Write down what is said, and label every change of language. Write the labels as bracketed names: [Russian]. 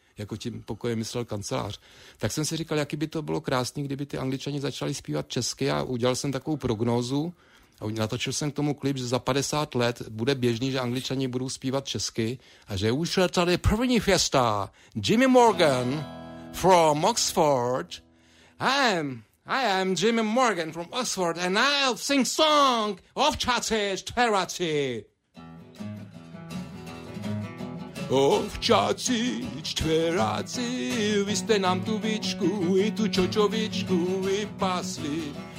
[Czech] Jako tím pokoje myslel kancelář. Tak jsem si říkal, jaký by to bylo krásný, kdyby ty Angličani začali zpívat česky, a udělal jsem takovou prognózu a natočil jsem k tomu klip, že za 50 let bude běžný, že Angličani budou zpívat česky a že už tady první fiesta, Jimmy Morgan from Oxford. [English] I am Jimmy Morgan from Oxford and I'll sing song of Chatty Terati. [Czech] Ovčáci, čtveráci, vy jste nám tu víčku i tu čočovičku vypasli.